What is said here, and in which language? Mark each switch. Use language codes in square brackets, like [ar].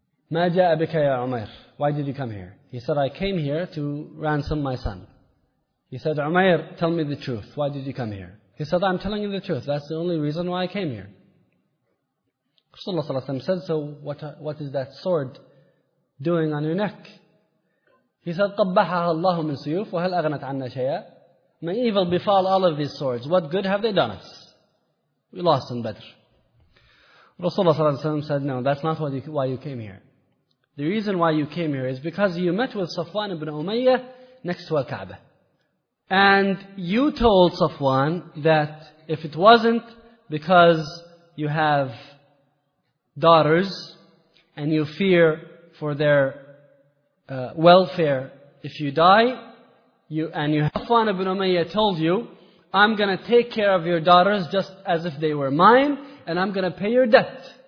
[ar] "Ma ja'a bika ya Umair, [en] why did you come here?" He said, "I came here to ransom my son." He said, "Umair, tell me the truth, why did you come here?" He said, "I'm telling you the truth, that's the only reason why I came here." Rasulullah ﷺ said, "So what is that sword doing on your neck?" He said, [ar] "قَبَّحَهَا اللَّهُ مِنْ سُيُوفُ وَهَلْ أَغْنَتْ عَنَّا شَيَاءُ." [en] May evil befall all of these swords, what good have they done us? We lost in Badr. Rasulullah sallallahu alaihi wasallam said, no, that's not why you came here. The reason why you came here is because you met with Safwan ibn Umayyah next to Al-Kaaba. And you told Safwan that if it wasn't because you have daughters and you fear for their welfare if you die, Safwan ibn Umayyah told you, I'm going to take care of your daughters just as if they were mine, and I'm going to pay your debt.